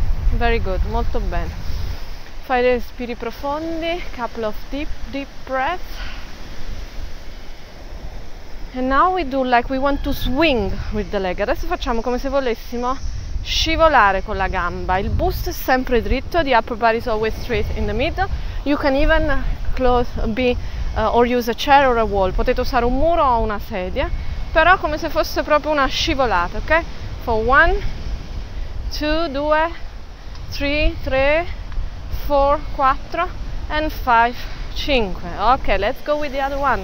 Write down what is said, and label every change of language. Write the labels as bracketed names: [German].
[English] Very good, [Italian] molto bene. Fai dei respiri profondi, [English] couple of deep breath. And now we do like we want to swing with the leg. [Italian] Adesso facciamo come se volessimo scivolare con la gamba. Il busto è sempre dritto, [English] the upper body is always straight in the middle. You can even use a chair or a wall. [Italian] Potete usare un muro o una sedia, però come se fosse proprio una scivolata, ok? [English] For one, two, due, 3, 3, 4, 4, and 5, 5. Ok, let's go with the other one.